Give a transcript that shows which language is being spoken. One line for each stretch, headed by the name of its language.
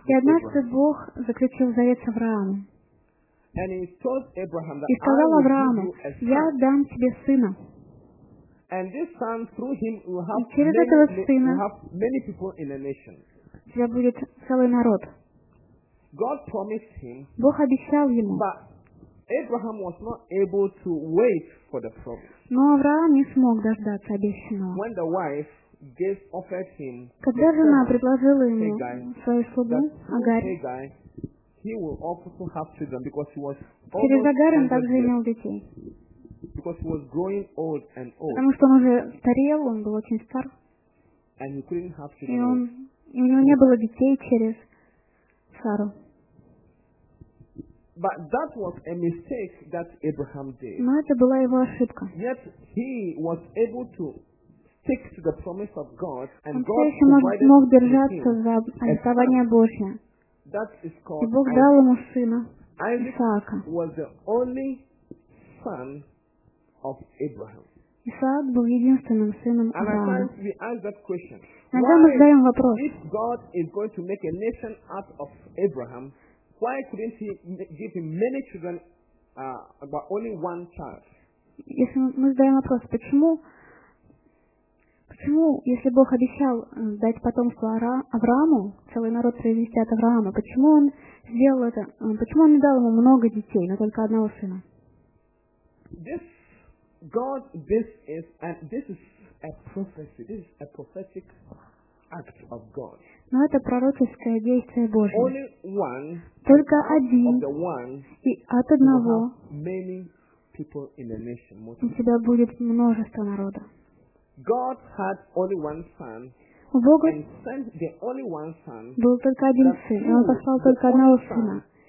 Russian: и однажды Бог заключил завет с Авраамом.
English: And he told Abraham that
Russian: и сказал Аврааму, я дам тебе сына.
English: And this son, through him, will have
Russian: и через
English: many,
Russian: этого сына
English: will have many people in a nation.
Russian: У тебя будет целый народ.
English: God promised him,
Russian: Бог обещал ему.
English: But Abraham was not able to wait for the promise.
Russian: Но Авраам не смог дождаться обещанного.
English: When the wife gave, offered him
Russian: Когда жена son, предложила ему свою слугу, Агарь,
English: He will also have children because he was
Russian: Через Агар он также имел детей.
English: Because he was growing old and old.
Russian: Потому что он уже старел, он был очень стар.
English: And he couldn't have children.
Russian: И он, у него не было детей через Сару.
English: But that was a mistake that Abraham did.
Russian: Но это была его ошибка.
English: Yet he was able to stick to the promise of God, and God provided
Russian: him. Он все еще мог держаться за обетование Божье.
English: That is called
Russian: и Бог дал ему сына Исаака.
English: Was the only son of Abraham.
Russian: Исаак был единственным сыном
English: Авраама. And we ask that question.
Russian: Иногда мы задаем вопрос.
English: If God is going to make a nation out of Abraham, why couldn't he give him many children, but only one child?
Russian: Если мы задаем вопрос, почему, если Бог обещал дать потомство Аврааму, целый народ произвести от Авраама, почему он сделал это? Почему он не дал ему много детей, но только одного сына?
English: This is a prophecy. This is a prophetic act of God.
Russian: Но это пророческое действие Божье.
English: Only one.
Russian: Только один.
English: Of the one.
Russian: И от одного.
English: Many people in the nation.
Russian: У тебя будет множество народа.
English: God had only one son.
Russian: У Бога был только один сын, и он послал только одного сына.